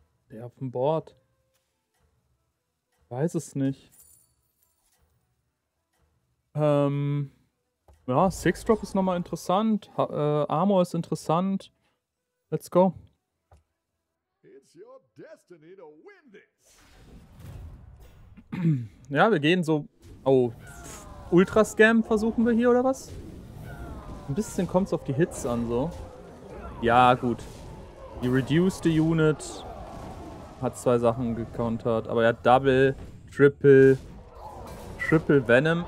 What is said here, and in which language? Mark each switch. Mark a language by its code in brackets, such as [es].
[de] Der auf dem Board. Weiß es nicht. Ja, Six Drop ist nochmal interessant. Armor ist interessant. [en] Let's go. It's your destiny to win this. [de] Ja, wir gehen so. Oh. Ultra Scam versuchen wir hier, oder was? Ein bisschen kommt's auf die Hits an, so. Ja, gut. Die reduced Unit hat zwei Sachen gecountert. Aber ja, Double, Triple. Triple Venom.